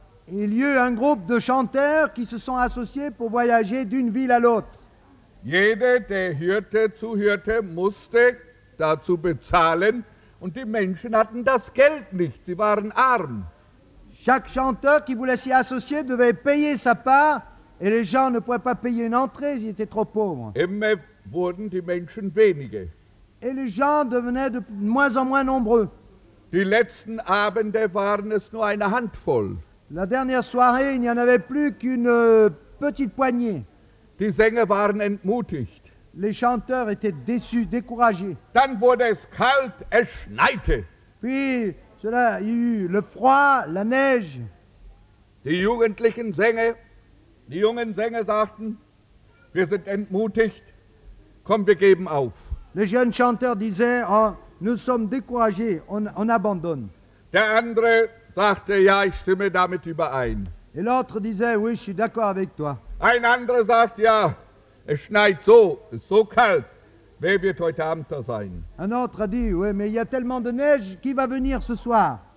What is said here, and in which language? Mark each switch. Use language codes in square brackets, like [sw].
[fr] Il y eut un groupe de chanteurs qui se sont associés pour voyager d'une ville à l'autre. [de] Jeder, der hörte, zuhörte, musste dazu bezahlen und die Menschen hatten das Geld nicht, sie waren arm. [fr] Chaque chanteur qui voulait s'y associer devait payer sa part et les gens ne pouvaient pas payer une entrée, ils étaient trop pauvres. [de] Immer wurden die Menschen weniger. [fr] Et les gens devenaient de moins en moins nombreux. [de] Die letzten Abende waren es nur eine Handvoll. [fr] La dernière soirée, il n'y en avait plus qu'une petite poignée. [de] Die Sänger waren entmutigt. [fr] Les chanteurs étaient déçus, découragés. [de] Dann wurde es kalt, es schneite. [fr] Puis, cela, il y eut le froid, la neige. [de] Die jugendlichen Sänger, die jungen Sänger sagten, wir sind entmutigt, komm, wir geben auf. [fr] Les jeunes chanteurs disaient, oh, nous sommes découragés, on abandonne. [de] Der andere sagte, ja, ich stimme damit überein. [fr] Et l'autre disait, oui, je suis d'accord avec toi. [de] Ein anderer sagt, ja, es schneit so, es ist so kalt. Wer wird heute Abend da sein? [fr] Un autre a dit, oui, mais il y a tellement de neige, qui va venir ce soir?